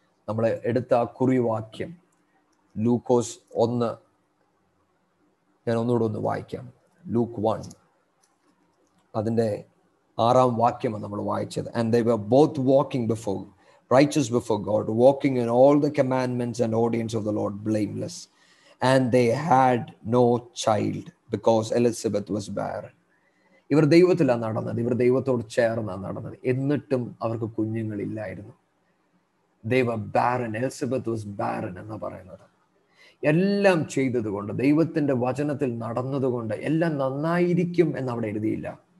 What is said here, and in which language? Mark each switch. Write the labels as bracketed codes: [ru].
[ml] നമ്മൾ എടുത്ത ആ കുറിവാക്യം Luke 1 ഞാൻ ഒന്നുകൂടെ ഒന്ന് വായിക്കാം. Luke 1 അതിൻ്റെ ആറാം വാക്യമാണ് നമ്മൾ വായിച്ചത് [en] And they were both walking before righteous before God, walking in all the commandments and ordinances of the Lord, blameless. And they had no child because Elizabeth was barren. [ml] ഇവർ ദൈവത്തില നടന്നത് ഇവർ ദൈവത്തോട് ചേർന്ന നടന്നത് എന്നിട്ടും അവർക്ക് കുഞ്ഞുങ്ങളില്ലായിരുന്നു. [en] They were barren. Elizabeth was barren [ml] എന്ന് പറയുന്നത് എല്ലാം ചെയ്തതുകൊണ്ട് ദൈവത്തിന്റെ വചനത്തിൽ നടന്നതുകൊണ്ട് എല്ലാം നന്നായിരിക്കും എന്ന് അവിടെ എഴുതിയില്ല.